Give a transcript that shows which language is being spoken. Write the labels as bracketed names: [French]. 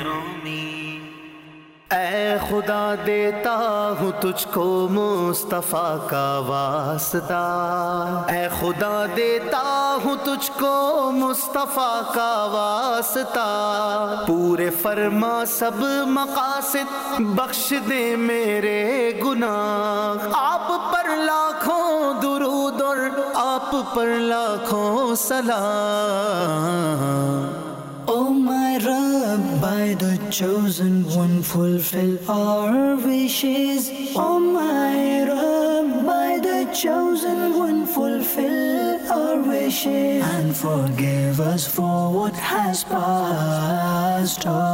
[Urdu] اے خدا دیتا ہوں تجھ کو مصطفیٰ کا واسطہ. اے خدا دیتا ہوں تجھ کو مصطفیٰ کا واسطہ. پورے فرما سب مقاصد بخش دے میرے گناہ. آپ پر لاکھوں درود اور آپ پر لاکھوں سلام. [English] Oh my Rabb, by the chosen one fulfill our wishes. Oh my Rabb, by the chosen one fulfill our wishes. And forgive us for what has passed.